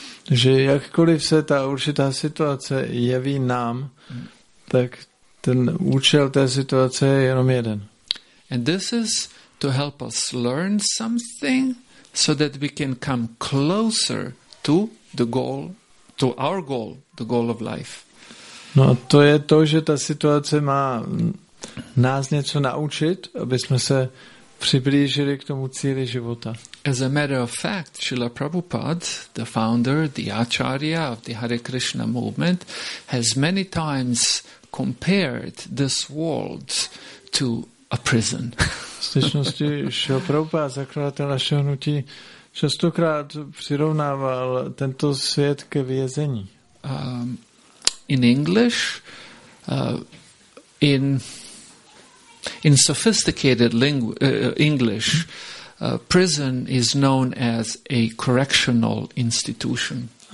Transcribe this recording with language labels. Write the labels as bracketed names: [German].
[Czech] Že jakkoliv se ta určitá situace jeví nám, tak ten účel té situace je jenom jeden. [English] And this is to help us learn something so that we can come closer to the goal, to our goal, the goal of life. [Czech] No, to je to, že ta situace má nás něco naučit, aby jsme se přiblížili k tomu cíli života. [English] As a matter of fact, Srila Prabhupada, the founder, the acharya of the Hare Krishna movement, has many times compared this world to a prison. [Czech] V skutečnosti Srila Prabhupada, zakladatel našeho hnutí, častokrát přirovnával tento svět ke vězení. [English] In English, in sophisticated English, prison is known as a correctional institution.